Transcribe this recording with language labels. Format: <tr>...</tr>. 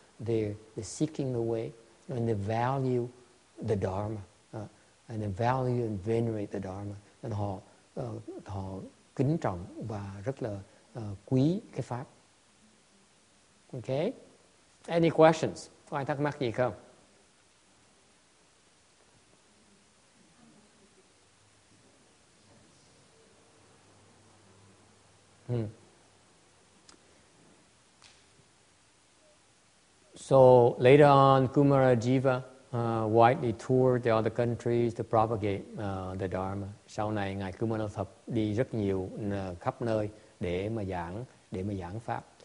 <en>They're seeking the way, and they value the Dharma, and they value and venerate the Dharma.</en> <vi>And họ kính trọng và rất là quý cái pháp. Okay.</vi> <en>Any questions?</en> <vi>Có ai thắc mắc gì không?</vi> <en>So later on, Kumara Jiva widely toured the other countries to propagate the Dharma.</en> <vi>Sau này ngài Kumara Thập đi rất nhiều khắp nơi để mà giảng pháp.</vi>